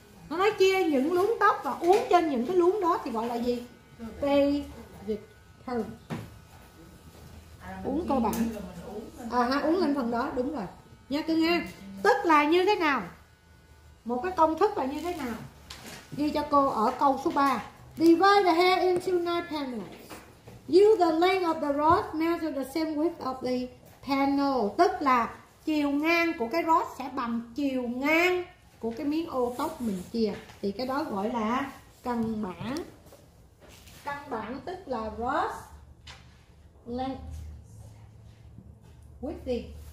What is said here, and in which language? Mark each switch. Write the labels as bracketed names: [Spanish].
[Vietnamese] Nó nói chia những luốn tóc và uốn trên những cái luốn đó thì gọi là gì? [English] Basic perm. [Vietnamese] Uốn cơ bản. À ha, uống lên phần đó, đúng rồi. Nha cưng ha. Tức là như thế nào? Một cái công thức là như thế nào? Ghi cho cô ở câu số 3. [English] Divide the hair into 9 panels. Use the length of the rod, measure the same width of the panel. [Vietnamese] Tức là chiều ngang của cái rod sẽ bằng chiều ngang của cái miếng ô tóc mình chia. Thì cái đó gọi là căn bản. Căn bản tức là rod length. Width gì?